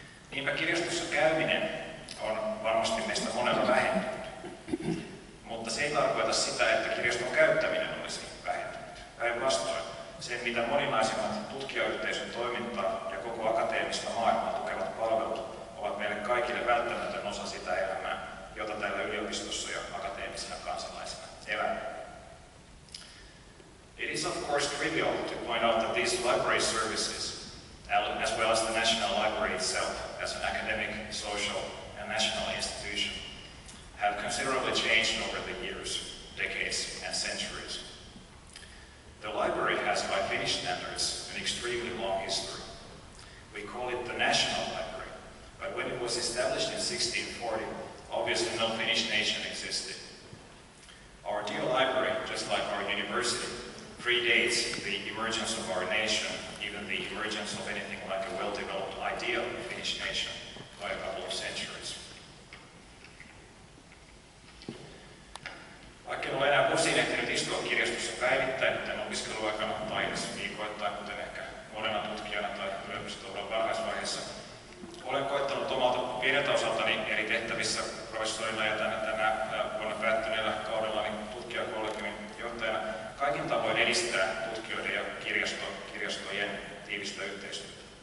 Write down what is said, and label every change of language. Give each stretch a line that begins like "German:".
Finnish: Niinpä kirjastossa käyminen on varmasti meistä monella vähentynyt, mutta se ei tarkoita sitä, että kirjaston käyttäminen olisi vähentynyt. Päinvastoin. Se, mitä moninaisimmat tutkijayhteisön toimintaa ja koko akateemista maailmaa tukevat palvelut ovat meille kaikille välttämätön osa sitä elämää, jota täällä yliopistossa ja akateemisena kansalaisena elämme.
English: It is of course trivial to point out that these library services, as well as the National Library itself, as an academic, social and national institution, have considerably changed over the years, decades and centuries. The library has, by Finnish standards, an extremely long history. We call it the National Library, but when it was established in 1640, obviously no Finnish nation existed. Our dear library, just like our university, predates the emergence of our nation, even the emergence of anything like a well-developed idea of a Finnish nation, by a couple of centuries.
Finnish: Vaikka en ole enää usein ehtinyt istua kirjastossa päivittäin, tämän opiskeluaikana tai edes viikoittain, kuten ehkä monena tutkijana tai yliopistouran varhaisvaiheessa, olen koettanut omalta pieneltä osaltani eri tehtävissä professorina ja tänä vuonna päättyneellä kaudella niin tutkijakollegiumin johtajana kaikin tavoin edistää tutkijoiden ja kirjastojen tiivistä yhteistyötä.